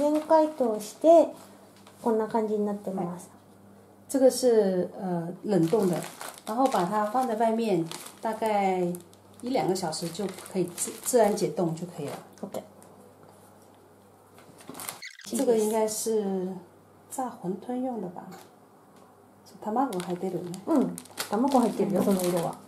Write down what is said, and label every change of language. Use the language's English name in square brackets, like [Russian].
[Japanese] 自然解凍してこんな感じになってます。はい、 [Chinese] 这个是冷冻的，然后把它放在外面，大概一两个小时就可以 自然解冻就可以了。 OK。这个应该是炸馄饨用的吧？ [Japanese] 卵入ってるね。嗯，卵入ってるよ、その色は。